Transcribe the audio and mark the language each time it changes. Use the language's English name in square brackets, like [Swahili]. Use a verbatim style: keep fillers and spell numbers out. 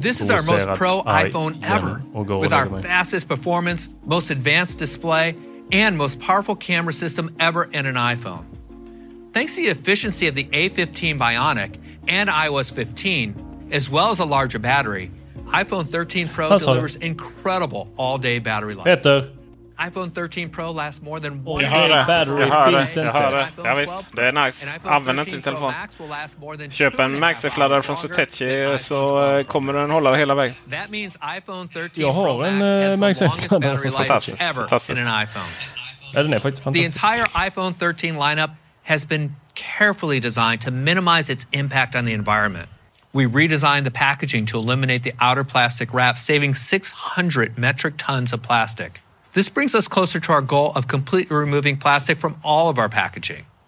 [English] This is our most pro iPhone ever, with our fastest performance, most advanced display, and most powerful camera system ever in an iPhone. Thanks to the efficiency of the A fifteen Bionic and iOS fifteen, as well as a larger battery, iPhone thirteen Pro That's delivers it. incredible all-day battery life. Peter. iPhone thirteen Pro lasts more than one day. [Swedish] Jag hör det, jag hör det, jag hör det. Ja visst, det är nice. Använd inte din telefon. Köp en Maxi-fladdare från Sutechi så kommer den hålla hela vägen. Jag har en Maxi-fladdare från Sutechi. Fantastiskt. Ja, den är faktiskt fantastisk. [English] The entire iPhone thirteen lineup has been carefully designed to minimize its impact on the environment. We redesigned the packaging to eliminate the outer plastic wrap, saving six hundred metric tons of plastic. This brings us closer to our goal of completely removing plastic from all of our packaging.